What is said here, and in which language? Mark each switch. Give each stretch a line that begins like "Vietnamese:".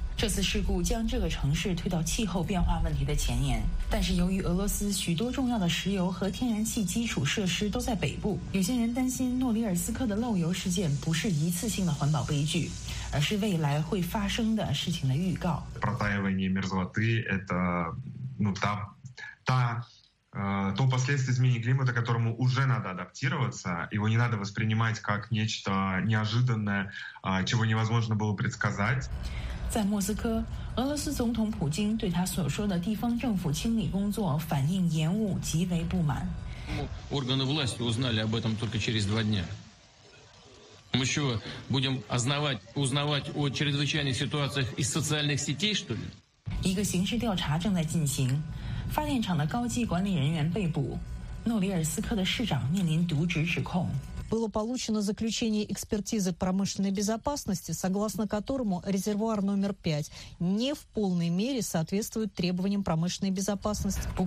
Chinese: 这次事故将这个城市推到气候变化问题的前沿，但是由于俄罗斯许多重要的石油和天然气基础设施都在北部，有些人担心诺里尔斯克的漏油事件不是一次性的环保悲剧，而是未来会发生的事情的预告。
Russian: Протаивание мерзлоты это ну та та то последствия изменения климата, к которому уже надо адаптироваться, его не надо воспринимать как нечто неожиданное, чего невозможно было предсказать.
Chinese: 在莫斯科，俄罗斯总统普京对他所说的地方政府清理工作反应延误极为不满。
Russian: Органы власти узнали об этом только через 2 дня. Мы еще будем узнавать о чрезвычайных ситуациях из социальных сетей, что ли?
Chinese: 一个刑事调查正在进行，发电厂的高级管理人员被捕，诺里尔斯克的市长面临渎职指控。
Russian: Было получено заключение экспертизы промышленной безопасности, согласно которому резервуар номер 5 не в полной мере соответствует требованиям промышленной безопасности.